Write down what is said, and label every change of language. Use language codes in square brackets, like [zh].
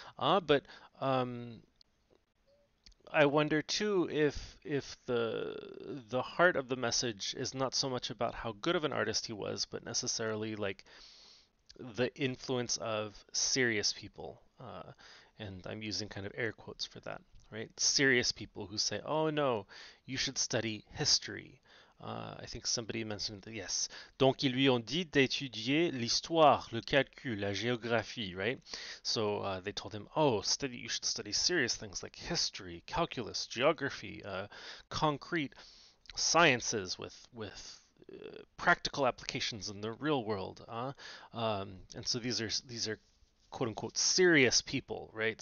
[en] But I wonder too if the heart of the message is not so much about how good of an artist he was, but necessarily like the influence of serious people. And I'm using kind of air quotes for that. Right, serious people who say, "Oh no, you should study history." I think somebody mentioned that, yes. [fr] Donc ils lui ont dit d'étudier l'histoire, le calcul, la géographie, [en] right? So they told him, "Oh, study. You should study serious things like history, calculus, geography, concrete sciences with practical applications in the real world." And so these are quote unquote serious people, right?